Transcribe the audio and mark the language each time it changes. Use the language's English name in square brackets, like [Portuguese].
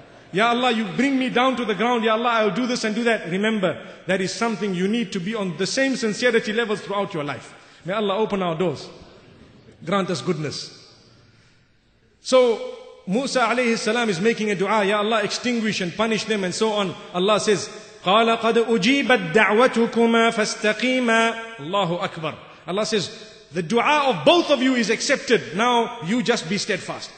[English] Ya Allah, you bring me down to the ground. Ya Allah, I'll do this and do that. Remember, that is something you need to be on the same sincerity levels throughout your life. May Allah open our doors. Grant us goodness. So, Musa alayhi salam is making a dua. Ya Allah, extinguish and punish them and so on. Allah says, [Arabic] قَالَ قَدْ أُجِيبَتْ دَعْوَتُكُمَا فَاسْتَقِيمَا Allahu Akbar. [English] Allah says, the dua of both of you is accepted. Now you just be steadfast.